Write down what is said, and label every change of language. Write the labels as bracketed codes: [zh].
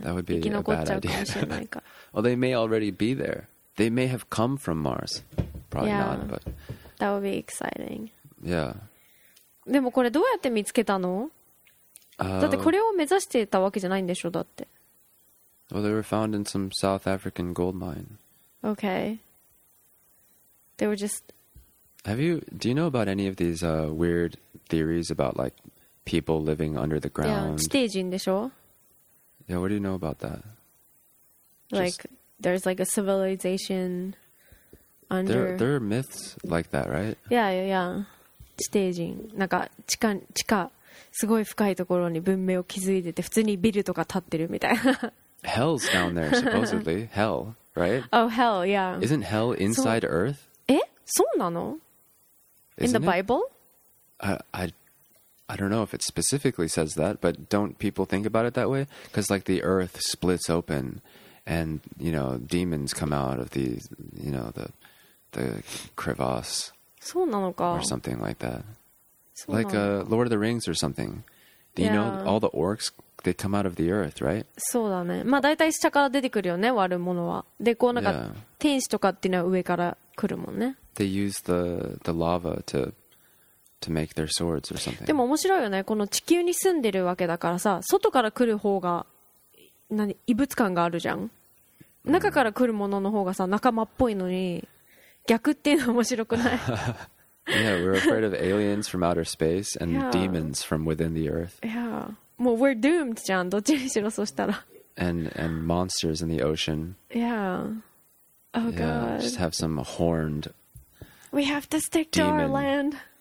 [en] That would be a bad idea. [ja] 生き残っちゃうかもしれないか。 [en] Well, they may already be there. They may have come from Mars. Probably not, but... That would be exciting. Yeah. [ja] でもこれどうやって見つけたの？だってこれを目指してたわけじゃないんでしょ、だって。 [en] Well, they were found in some South African gold mine. Okay. They were just... Do you know about any of these weird theories about like people living under the ground? Yeah, [ja] 地底人でしょ？ [en] Yeah, what do you know about that? Like, there's like a civilization under... There are myths like that, right? Yeah. [ja] 地底人なんか地下すごい深いところに文明を築いてて普通にビルとか建ってるみたいな。 [en] Hell's down there supposedly. Hell, right? Oh, hell, yeah. Isn't hell inside Earth? [ja] え、そうなの？ [en] In the Bible? I don't know if it specifically says that, but don't people think about it that way? Because like the Earth splits open, and you know demons come out of these, you know, the crevasse. [ja] そうなのか。 [en] Or something like that. Like Lord of the Rings or something. Do you know all the orcs, they come out of the earth, right? [ja] そうだね。まあ大体下から出てくるよね、悪者は。で、こうなんか、天使とかっていうのは上から来るもんね。 [en] They use the lava to make their swords or something. [ja] でも面白いよね。この地球に住んでるわけだからさ、外から来る方が、何、異物感があるじゃん。中から来るものの方がさ、仲間っぽいのに、逆っていうの面白くない？ [en] Yeah, we're afraid of aliens from outer space and demons from within the earth. Yeah. [ja] もう [en] we're doomed [ja] じゃん、どっちにしろそしたら。 [en] And monsters in the ocean. Yeah. Oh, God. Just have some horned demon. We have to stick to our land.